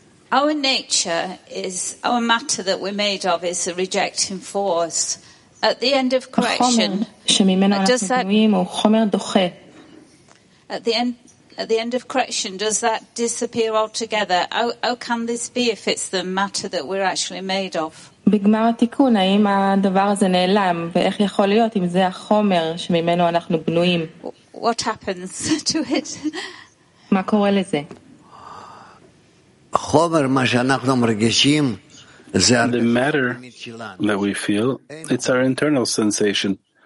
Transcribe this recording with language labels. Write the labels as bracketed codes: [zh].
[en] Our nature is, our matter that we're made of is a rejecting force. At the end of correction, does that disappear altogether? How can this be if it's the matter that we're actually made of? [he] בגמר התיקון, האם הדבר הזה נעלם? ואיך יכול להיות אם זה החומר שממנו אנחנו בנויים? [en] What happens to it? [he] מה קורה לזה? חומר, מה שאנחנו מרגישים, זה הרגשת [en] the matter that we feel, it's our internal sensation.